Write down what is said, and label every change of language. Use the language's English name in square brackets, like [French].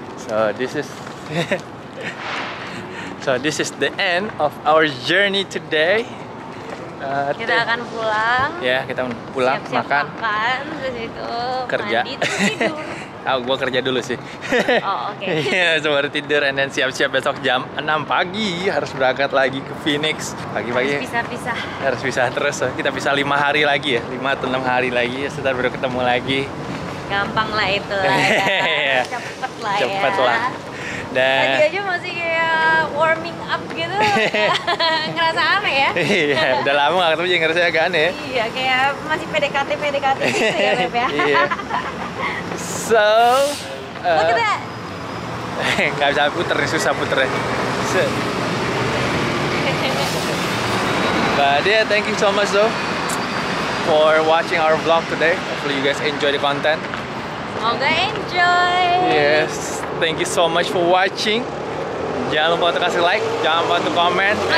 [English] So this is so this is the end of our journey today. [Indonesian] Kita akan pulang. Ya, kita pulang, siap-siap makan. Terus itu kerja. Mandi, tidur. Oh, gue kerja dulu sih. Oh, oke. Iya, sembari tidur [English] and then [Indonesian] siap-siap besok jam 6 pagi harus berangkat lagi ke Phoenix. Pagi-pagi. Harus pisah-pisah. Harus pisah terus. Kita pisah 5 hari lagi ya. 5 atau 6 hari lagi setelah baru ketemu lagi. Gampang lah itu lah. Ya. Cepet lah. Cepet ya. Lah. Dan tadi aja masih kayak warming up gitu. Ngerasa aneh ya. Iya, udah lama gak ketemu jadi ngerasa agak aneh. Iya, kayak masih PDKT-PDKT gitu ya, Beb ya. [English] So look at that. [Indonesian] Gak bisa puter, susah puternya. [English] So, but yeah, thank you so much though for watching our vlog today. Hopefully you guys enjoy the content. [Indonesian] Semoga enjoy. [English] Yes. Thank you so much for watching. [Indonesian] Jangan lupa untuk kasih like, jangan lupa untuk komen.